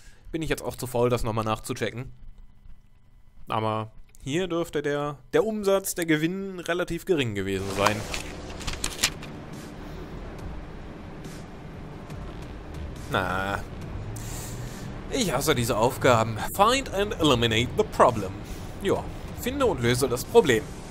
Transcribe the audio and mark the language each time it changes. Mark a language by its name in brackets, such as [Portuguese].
[German] Bin ich jetzt auch zu faul, das nochmal nachzuchecken. Aber hier dürfte der Umsatz, der Gewinn relativ gering gewesen sein. Na. Ich hasse diese Aufgaben. [English] Find and eliminate the problem. [German] Ja, finde und löse das Problem.